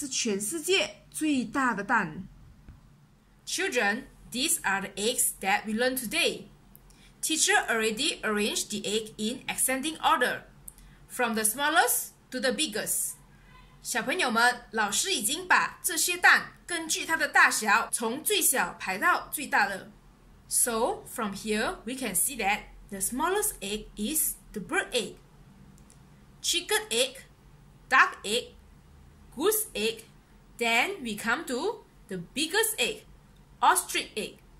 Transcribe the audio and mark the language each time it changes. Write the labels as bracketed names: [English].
[Chinese] 鸵鸟蛋是全世界最大的蛋. [English] Children, these are the eggs that we learned today. Teacher already arranged the egg in ascending order, from the smallest to the biggest. [Chinese] 小朋友们, 老师已经把这些蛋 根据它的大小, 从最小排到最大了. [English] So, from here, we can see that the smallest egg is the bird egg, chicken egg, duck egg, goose egg. Then we come to the biggest egg, ostrich egg.